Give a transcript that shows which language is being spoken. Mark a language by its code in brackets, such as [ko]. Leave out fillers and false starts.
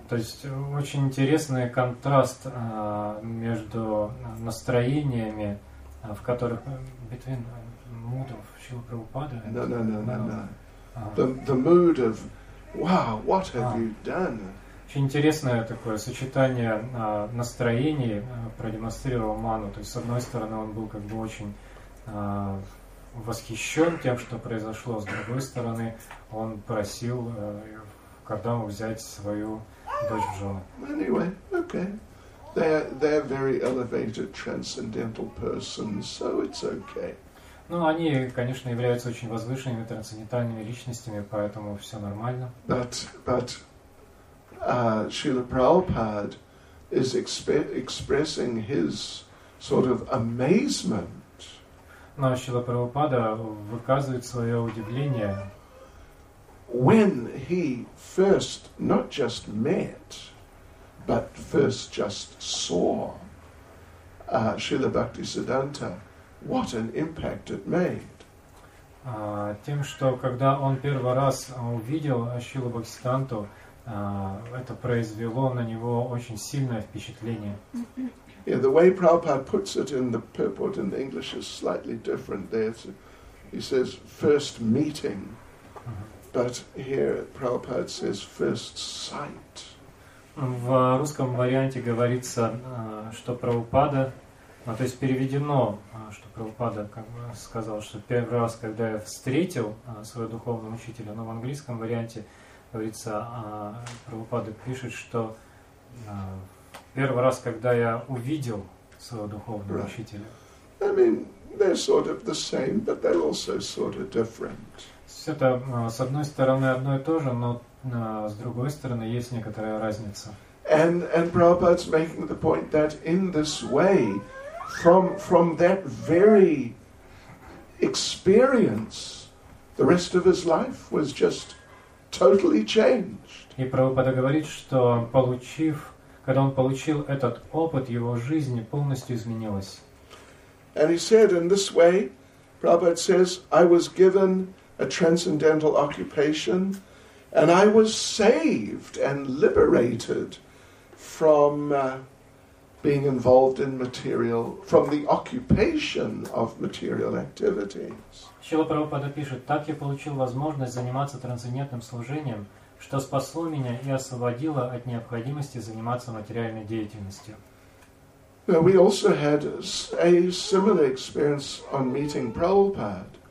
[ru] То есть очень интересный контраст между настроениями, в которых [en] between mood of [ru] Шрила Прабхупада. [en] No. The mood of, wow, what have you done? [ru] Очень интересное такое сочетание настроений продемонстрировал Ману. То есть с одной стороны он был как бы очень восхищен тем, что произошло. С другой стороны, он просил Кардаму взять свою дочь в жену. [en] Anyway, okay. They're very elevated, transcendental persons, so it's okay. [ru] Ну, они, конечно, являются очень возвышенными, трансцендентальными личностями, поэтому все нормально. [en] But Srila Prabhupada is expressing his sort of amazement. [ru] Но Шрила Прабхупада выказывает свое удивление. [en] When he first not just met, but first just saw Srila Bhaktisiddhanta, what an impact it made. [ru] Тем, что когда он первый раз увидел Шрилу Бхактисиддханту, это произвело на него очень сильное впечатление. [en] Yeah, the way Prabhupada puts it in the purport in the English is slightly different there. So he says, first meeting. But here Prabhupada says first sight. [ru] В русском варианте говорится, что Прабхупада, ну, то есть переведено, что Прабхупада как бы сказал, что первый раз, когда я встретил своего духовного учителя, но в английском варианте говорится, Прабхупада пишет, что первый раз, когда я увидел своего духовного учителя. [en] I mean, they're sort of the same, but they're also sort of different. [ru] Это, с одной стороны, одно и то же, но с другой стороны, есть некоторая разница. [en] And Prabhupada's making the point that in this way, from that very experience, the rest of his life was just totally changed. [ru] И Прабхупада говорит, что когда он получил этот опыт, его жизнь полностью изменилась. [en] And he said, in this way, Prabhupada says, I was given a transcendental occupation, and I was saved and liberated from being involved in material, from the occupation of material activities. [ru] Шрила Прабхупада пишет, так я получил возможность заниматься трансцендентным служением, что спасло меня и освободило от необходимости заниматься материальной деятельностью. [en] Now, we also had a similar experience on meeting Prabhupada.